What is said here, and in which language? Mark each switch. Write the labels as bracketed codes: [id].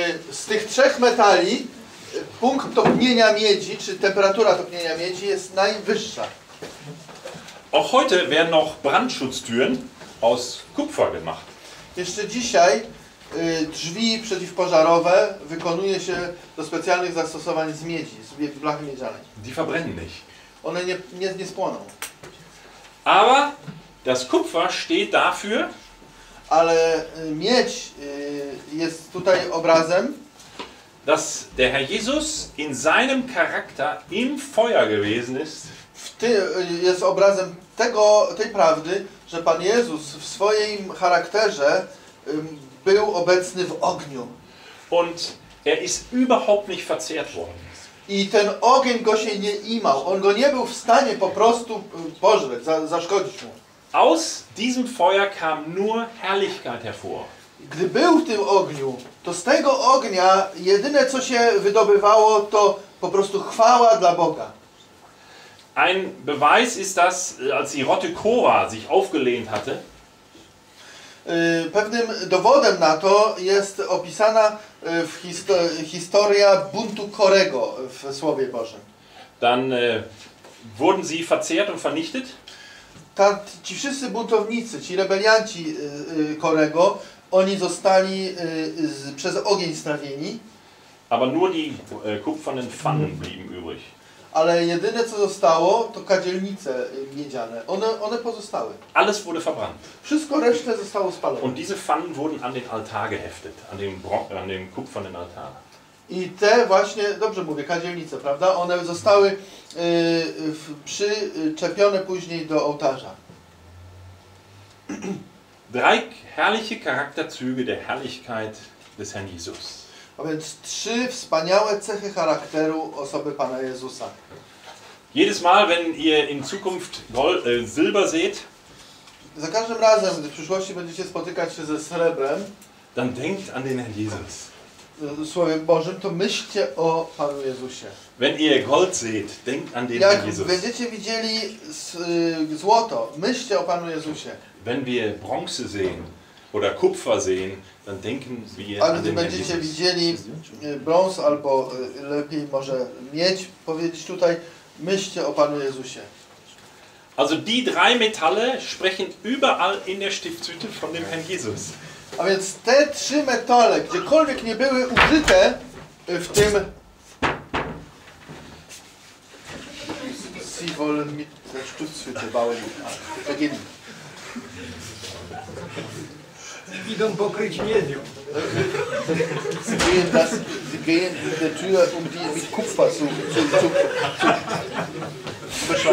[pl] Z tych trzech metali punkt topnienia miedzi, czy temperatura topnienia miedzi jest najwyższa. [de] Auch heute werden noch Brandschutztüren aus Kupfer gemacht. [pl] Jeszcze dzisiaj drzwi przeciwpożarowe wykonuje się do specjalnych zastosowań z miedzi, z blachy miedzianej. [de] Die verbrennen nicht. [pl] One nie spłoną. [de] Aber das Kupfer steht dafür. [pl] Ale miedź jest tutaj obrazem, [de] dass der Herr Jesus in seinem Charakter im Feuer gewesen ist. [pl] Jest obrazem tej prawdy, że Pan Jezus w swoim charakterze był obecny w ogniu. [de] Und er ist überhaupt nicht verzehrt worden. [pl] I ten ogień go się nie imał. On go nie był w stanie po prostu pożreć, zaszkodzić mu. [de] Aus diesem Feuer kam nur Herrlichkeit hervor. [pl] Gdy był w tym ogniu, to z tego ognia jedyne, co się wydobywało, to po prostu chwała dla Boga. [de] Ein Beweis ist das, als die Rotte Korah sich aufgelehnt hatte. [pl] Pewnym dowodem na to jest opisana w historia buntu Korego w Słowie Bożym. [de] Dann wurden sie verzehrt und vernichtet. [pl] Ci wszyscy buntownicy, ci rebelianci Korego, oni zostali przez ogień strawieni. [de] Aber nur die kupfernen Pfannen blieben übrig. [pl] Ale jedyne, co zostało, to kadzielnice miedziane. One pozostały. [de] Alles wurde verbrannt. [pl] Wszystko resztę zostało spalone. [de] Und diese Pfannen wurden an den Altar geheftet, an dem kupfernen Altar. [pl] I te właśnie, dobrze mówię, kadzielnice, prawda? One zostały przyczepione później do ołtarza. [de] Drei herrliche Charakterzüge der Herrlichkeit des Herrn Jesus. [pl] A więc trzy wspaniałe cechy charakteru osoby Pana Jezusa. [de] Jedes Mal, wenn ihr in Zukunft Silber seht, [pl] za każdym razem, gdy w przyszłości będziecie spotykać się ze srebrem, [de] dann denkt an den Herrn Jesus. [pl] Słowie Bożym, to myślcie o Panu Jezusie. [de] Wenn ihr Gold seht, denkt an den Herrn Jesus. [pl] Jak będziecie widzieli złoto, myślcie o Panu Jezusie. [de] Wenn wir Bronze sehen oder Kupfer sehen, dann denken wir an den [pl] Ale gdy będziecie widzieli brąz albo lepiej może miedź, powiedzieć tutaj, myślcie o Panu Jezusie. [de] Also die drei Metalle sprechen überall in der Stiftshütte von dem Herrn Jesus. [pl] A więc te trzy metale, gdziekolwiek nie były użyte w tym... [de] Sie wollen mit der Stiftshütte bauen. Beginn. [pl] Idą pokryć miedzią. [de] Sie gehen in der Tür, um die mit Kupfer zu